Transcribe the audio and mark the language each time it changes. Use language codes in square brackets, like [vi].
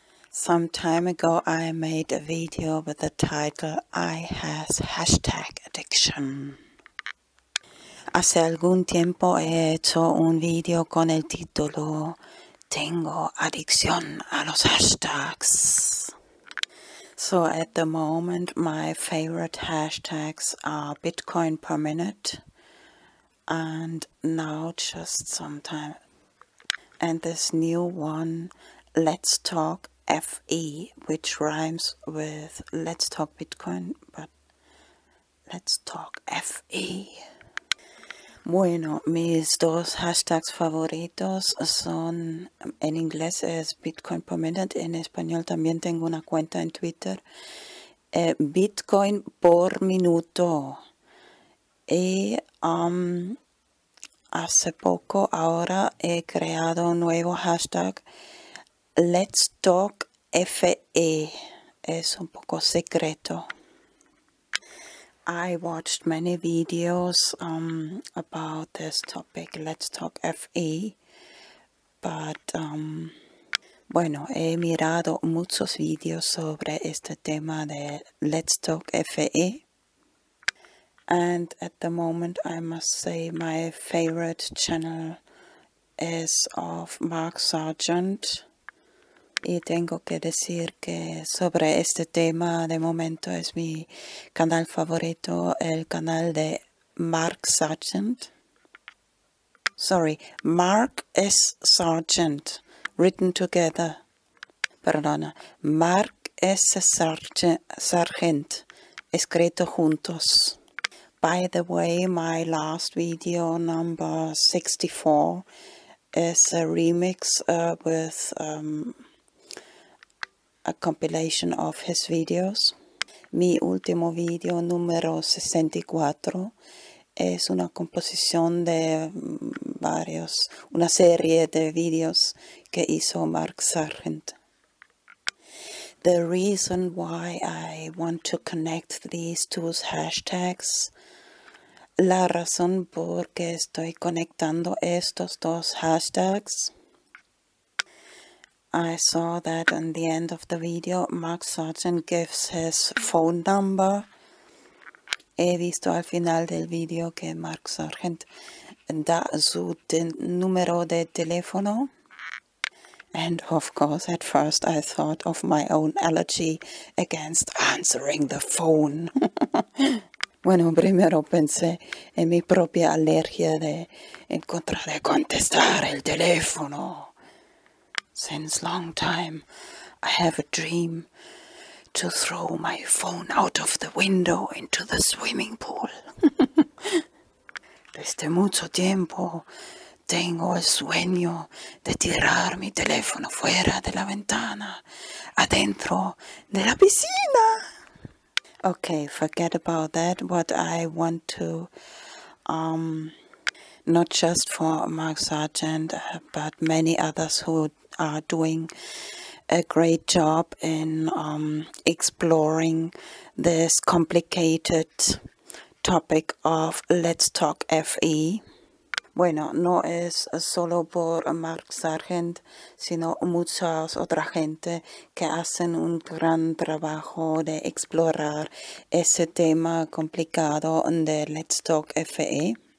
[en] Some time ago I made a video with the title I has hashtag addiction. [es] Hace algún tiempo he hecho un video con el título Tengo adicción a los hashtags. [en] So at the moment my favorite hashtags are Bitcoin per minute and now just some time. And this new one, Let's Talk FE, which rhymes with Let's Talk Bitcoin, but Let's Talk FE. [es] Bueno, mis dos hashtags favoritos son, en inglés es Bitcoin per minute, en español también tengo una cuenta en Twitter, Bitcoin por minuto. Y hace poco, ahora he creado un nuevo hashtag, Let's Talk FE. Es un poco secreto. [en] I watched many videos about this topic, Let's Talk FE. [es] But, bueno, he mirado muchos videos sobre este tema de Let's Talk FE. [en] And at the moment, I must say my favorite channel is of Mark Sargent. [es] Y tengo que decir que sobre este tema, de momento, es mi canal favorito, el canal de Mark Sargent. [en] Sorry, Mark S. Sargent, written together. [es] Perdona, Mark S. Sargent, escrito juntos. [en] By the way, my last video, number 64, is a remix with a compilation of his videos. [es] Mi último video, número 64, es una composición de varios, una serie de videos que hizo Mark Sargent. [en] The reason why I want to connect these two hashtags, [es] la razón por que estoy conectando estos dos hashtags. [en] I saw that in the end of the video, Mark Sargent gives his phone number. [es] He visto al final del video que Mark Sargent da su número de teléfono. [en] And of course, at first I thought of my own allergy against answering the phone. [es] Bueno, primero pensé en mi propia alergia de en contra de contestar el teléfono. [en] Since long time, I have a dream to throw my phone out of the window into the swimming pool. [es] Desde mucho tiempo, tengo el sueño de tirar mi teléfono fuera de la ventana, adentro de la piscina. [en] Okay, forget about that. What I want to, not just for Mark Sargent, but many others who are doing a great job in exploring this complicated topic of Let's Talk FE. [es] Bueno, no es solo por Mark Sargent, sino muchas otra gente que hacen un gran trabajo de explorar ese tema complicado de Let's Talk FE.